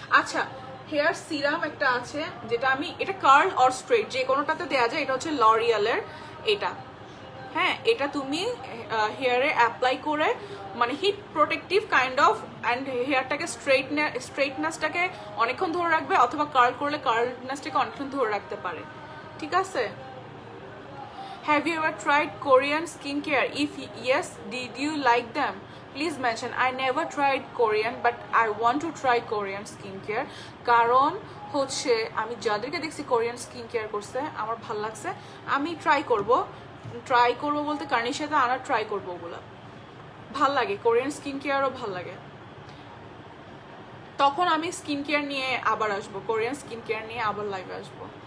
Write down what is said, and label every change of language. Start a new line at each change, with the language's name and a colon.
Bangla: আচ্ছা, hair serum একটা আছে যেটা আমি, এটা কার্ল অর স্ট্রেট যে কোনোটাতে দেওয়া যায়, এটা হচ্ছে লরিয়ালের এটা। হ্যাঁ, এটা তুমি হেয়ারে অ্যাপ্লাই করে মানে
English: heat protective kind of,
Bangla: and হেয়ারটাকে স্ট্রেটনেসটাকে অনেকক্ষণ ধরে রাখবে, অথবা কার্ল করলে কার্লনেসটাকে অনেকক্ষণ ধরে রাখতে পারে, ঠিক আছে।
English: Have you ever tried Korean skincare? If yes, did you like them? Please mention. I never tried Korean, but I want to try Korean skincare.
Bangla: কারণ হচ্ছে আমি যাদেরকে দেখছি Korean skincare করছে, আমার ভাল লাগছে। আমি try করবো। Try করবো বলতে কারণ সেটা আনা try করবো বলা। ভাল লাগে Korean skincare ও ভাল লাগে। তখন আমি skincare নিয়ে আবার আসবো। Korean skincare নিয়ে আবার live আসবো।